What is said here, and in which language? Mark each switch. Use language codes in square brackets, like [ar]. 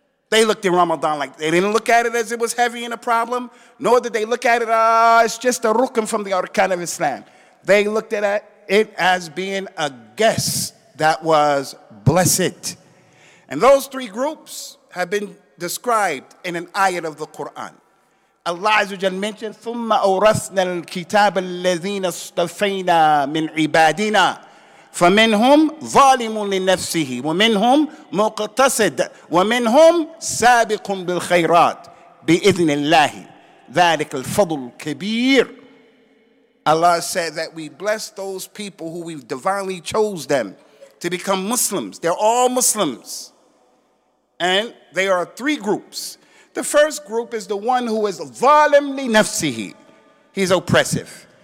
[en] They looked at Ramadan like they didn't look at it as it was heavy and a problem, nor did they look at it, it's just a rukn from the arkan of Islam. They looked at it as being a guest that was blessed. And those three groups have been described in an ayat of the Quran. [ar] Allah Azza wa Jalla mentioned, ثُمَّ أَوْرَثْنَا الْكِتَابَ الَّذِينَ اصْطَفَيْنَا مِنْ عِبَادِنَا فَمِنْهُمْ ظَالِمٌ لِنَفْسِهِ وَمِنْهُمْ مُقْتَصِدٌ وَمِنْهُمْ سَابِقٌ بِالْخَيْرَاتِ بِإِذْنِ اللَّهِ ذَلِكَ الْفَضْلُ الْكَبِيرُ. [en] Allah said that we bless those people who we've divinely chose them to become Muslims. They're all Muslims. And they are three groups. The first group is the one who is [ar] ظَالِمْ لِنَفْسِهِ. [en] He's oppressive.